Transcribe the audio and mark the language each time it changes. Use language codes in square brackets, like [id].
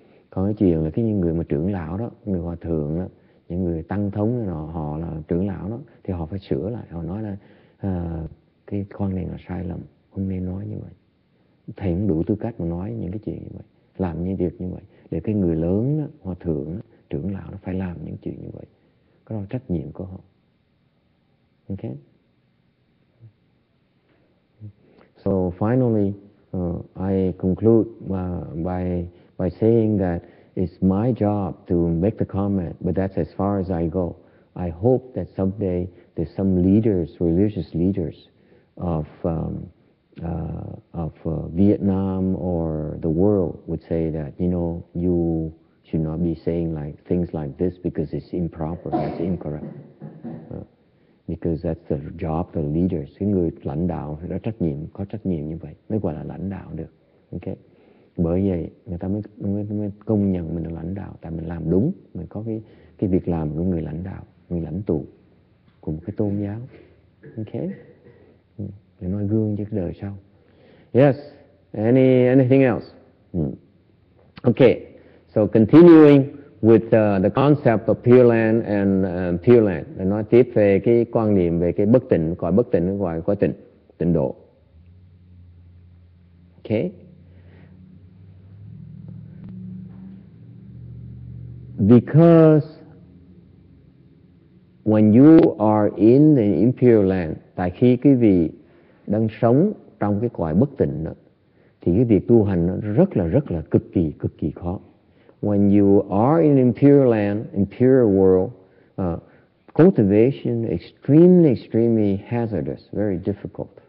[vi] Còn cái chuyện là những người mà trưởng lão đó, người hòa thượng đó, những người tăng thống đó, họ là trưởng lão đó, thì họ phải sửa lại, họ nói là cái quan niệm là sai lầm, không nên nói như vậy. Thầy cũng đủ tư cách mà nói những cái chuyện như vậy, làm những việc như vậy, để cái người lớn đó, hòa thượng đó, trưởng lão nó phải làm những chuyện như vậy. Cái đó là trách nhiệm của họ. [en] Ok? So finally, I conclude by saying that it's my job to make the comment, but that's as far as I go. I hope that someday there's some leaders, religious leaders of Vietnam or the world would say that, you know, you should not be saying like things like this because it's improper, it's incorrect. Because that's the job of the leaders. [vi] Cái người lãnh đạo đã trách nhiệm, có trách nhiệm như vậy mới gọi là lãnh đạo được. Okay. Bởi vậy người ta mới công nhận mình là lãnh đạo, tại mình làm đúng, mình có cái việc làm của người lãnh đạo, người lãnh tụ của một cái tôn giáo. Okay. Để nói gương cho cái đời sau. [en] Yes. Anything else? Okay. So continuing with the concept of Pure Land and Pure Land. [vi] Để nói tiếp về cái quan niệm về cái bất tịnh, gọi bất tịnh, gọi có tịnh, tịnh độ. [en] Okay. Because when you are in the impure land, [vi] tại khi quý vị đang sống trong cái cõi bất tịnh đó, thì cái việc tu hành nó rất là cực kỳ khó. [en] When you are in impure land, impure world, cultivation extremely hazardous, very difficult.